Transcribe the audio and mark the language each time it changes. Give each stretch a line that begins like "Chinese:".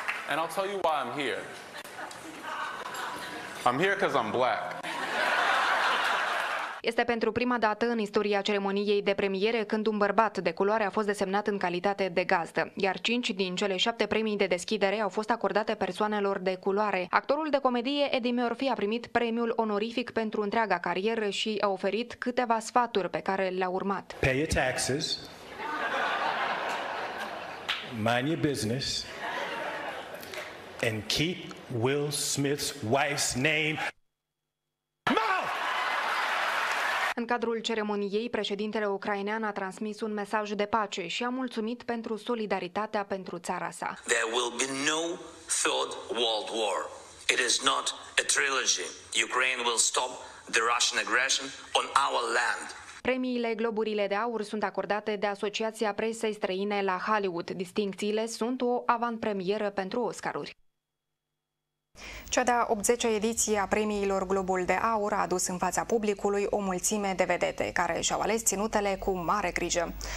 English: And I'll tell you why I'm here. I'm here because I'm black.
Romanian: Este pentru prima dată în istoria ceremoniei de premiere când un bărbat de culoare a fost desemnat în calitate de gazdă, iar 5 din cele 7 premii de deschidere au fost acordate persoanelor de culoare. Actorul de comedie Eddie Murphy a primit premiul onorific pentru întreaga carieră și a oferit câteva sfaturi pe care le-a urmat.
English: Pay your taxes. Mind your business. And keep Will Smith's wife's name.
Romanian: În cadrul ceremoniei, președintele ucrainean a transmis un mesaj de pace și a mulțumit pentru solidaritatea pentru țara sa.
English: There will be no third world war. It is not a trilogy. Ukraine will stop the Russian aggression on our land.
Romanian: Premiile Globurile de Aur sunt acordate de Asociația Presei Străine la Hollywood. Distincțiile sunt o avantpremieră pentru Oscaruri. Cea de-a 80-a ediție a premiilor Globul de Aur a adus în fața publicului o mulțime de vedete, care și-au ales ținutele cu mare grijă.